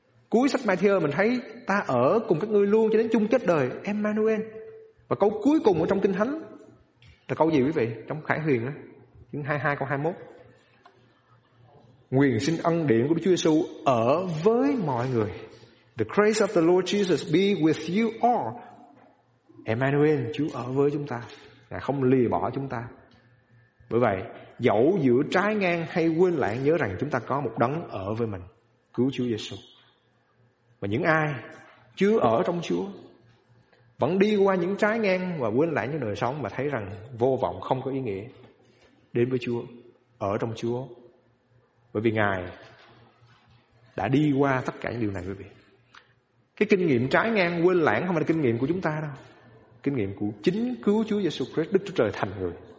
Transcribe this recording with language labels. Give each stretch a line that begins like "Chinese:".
Vietnamese: Cuối sách Matthew mình thấy: ta ở cùng các ngươi luôn cho đến chung kết đời, Emmanuel. Và câu cuối cùng ở trong Kinh Thánh là câu gì quý vị? Trong Khải Huyền á, chương 22 câu 21: nguyện xin ân điển của Đức Chúa Giêsu ở với mọi người.
English: The grace of the Lord Jesus be with you all.
Vietnamese: Emmanuel, Chúa ở với chúng ta, Ngài không lìa bỏ chúng ta. Bởi vậy, dẫu giữa trái ngang hay quên lãng, nhớ rằng chúng ta có một đấng ở với mình, cứu Chúa Giêsu. Và những ai chưa ở trong Chúa vẫn đi qua những trái ngang và quên lãng trong đời sống mà thấy rằng vô vọng, không có ý nghĩa, đến với Chúa, ở trong Chúa, bởi vì Ngài đã đi qua tất cả những điều này. Quý vị, cái kinh nghiệm trái ngang quên lãng không phải là kinh nghiệm của chúng ta đâu, kinh nghiệm của chính cứu Chúa Jesus Christ, Đức Chúa Trời thành người.